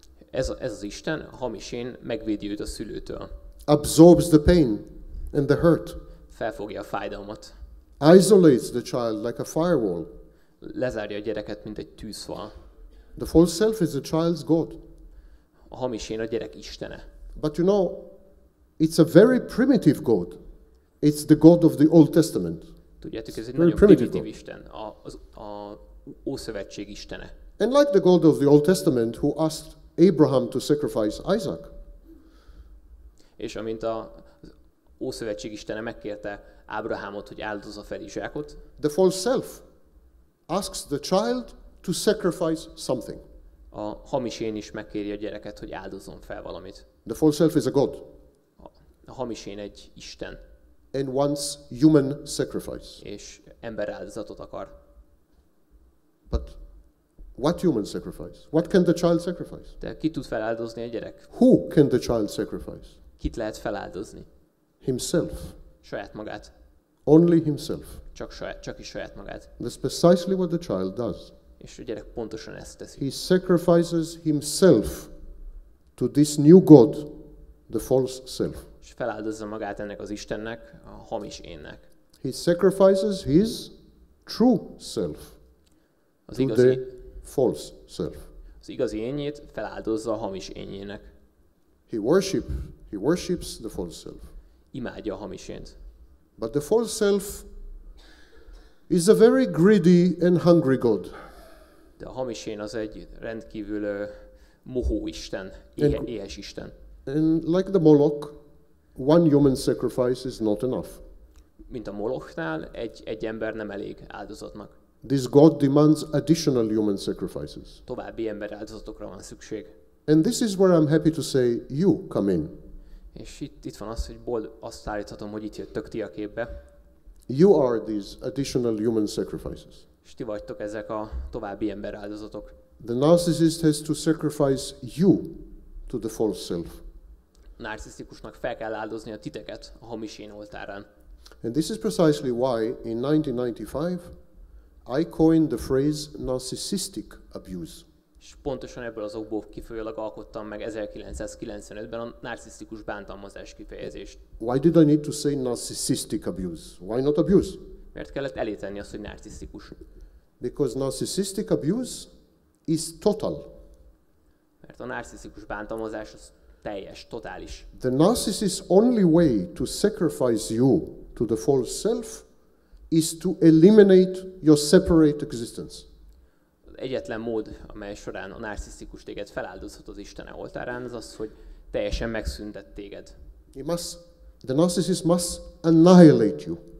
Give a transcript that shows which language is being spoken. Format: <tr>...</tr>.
<hu>Ez az Isten, a hamis én, megvédi őt a szülőtől.</hu> <en>Absorbs the pain and the hurt.</en> <hu>Felfogja a fájdalmat.</hu> <en>isolates the child like a firewall.</en> <hu>Lezárja a gyereket, mint egy tűzfal.</hu> <en>The false self is the child's God.</en> <hu>A hamis én a gyerek istene.</hu> <en>But you know, it's a very primitive God. It's the God of the Old Testament.</en> <hu>Tudjátok, ez egy</hu> <en>very primitive God.</en> <hu>Isten, a Ószövetség istene.</hu> <en>And like the God of the Old Testament who asked Abraham to sacrifice Isaac.</en> <hu>És amint a Ószövetség istene megkérte Ábrahámot, hogy áldozza fel Izsákot.</hu> <en>The false self asks the child to sacrifice something.</en> <hu>A hamis én is megkéri a gyereket, hogy áldozzon fel valamit.</hu> <en>The false self is a god.</en> <hu>A hamis én egy isten.</hu> <en>And wants human sacrifice.</en> <hu>És ember áldozatot akar.</hu> <en>But what human sacrifice? What can the child sacrifice?</en> <hu>De ki tud feláldozni a gyerek?</hu> <en>Who can the child sacrifice?</en> <hu>Kit lehet feláldozni?</hu> <en>Himself.</en> <hu>Saját magát.</hu> <en>Only himself.</en> <hu>Csak is saját magát.</hu> <en>That's precisely what the child does.</en> <hu>És a gyerek pontosan ezt teszi.</hu> <en>He sacrifices himself to this new God, the false self.</en> <hu>És feláldozza magát ennek az istennek, a hamis énnek.</hu> <en>He sacrifices his true self</en> <hu>az igazi,</hu> <en>to the false self.</en> <hu>Az igazi énjét feláldozza a hamis énjének.</hu> <en>He worships the false self.</en> <hu>Imádja a hamis ént.</hu> <en>But the false self is a very greedy and hungry God.</en> <hu>De a hamis én az egy rendkívül mohó isten, éhes isten.</hu> <en>And like the Moloch, one human sacrifice is not enough.</en> <hu>Mint a Molochnál, egy ember nem elég áldozatnak.</hu> <en>This God demands additional human sacrifices.</en> <hu>További ember áldozatokra van szükség.</hu> <en>And this is where I'm happy to say, you come in.</en> <hu>És itt van az, hogy bold azt állíthatom, hogy itt jöttök ti a képbe.</hu> <en>You are these additional human sacrifices.</en> <hu>És ti vagytok ezek a további ember áldozatok.</hu> <en>The narcissist has to sacrifice you to the false self.</en> <hu>Narcisztikusnak fel kell áldozni a titeket a hamis én oltárán.</hu> <en>And this is precisely why in 1995 I coined the phrase narcissistic abuse.</en> <hu>És pontosan ebből az okból kifolyólag alkottam meg 1995-ben a narcisztikus bántalmazás kifejezést.</hu> <en>Why did I need to say narcissistic abuse? Why not abuse?</en> <hu>Miért kellett elétenni azt, hogy narcisztikus?</hu> <en>Because narcissistic abuse is total.</en> <hu>Mert a narcisztikus bántalmazás az teljes, totális.</hu> <en>The narcissist's only way to sacrifice you to the false self is to eliminate your separate existence.</en> <hu>Egyetlen mód, amely során a narcisztikus téged feláldozhat az Isten oltárán, az az, hogy teljesen megszüntet téged.</hu> <en>The narcissist must annihilate you.</en>